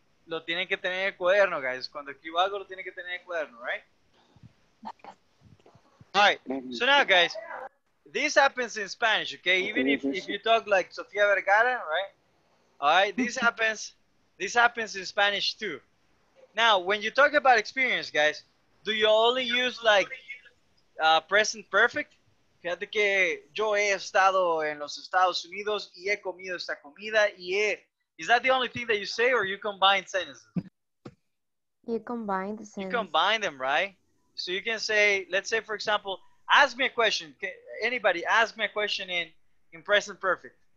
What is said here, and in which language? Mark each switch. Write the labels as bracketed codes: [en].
[es] Lo tienen que tener en el cuaderno, guys. Cuando escribo algo, lo tienen que tener en el cuaderno, right? [en] All right. So now, guys, this happens in Spanish, okay? Even if you talk like Sofia Vergara, right? All right. This happens in Spanish too. Now, when you talk about experience, guys, do you only use like present perfect? [es] Fíjate que yo he estado en los Estados Unidos y he comido esta comida y he... [en] Is that the only thing that you say or you combine sentences? You combine the sentences. You combine them, right? So you can say, let's say, for example, ask me a question. Anybody, ask me a question in present perfect.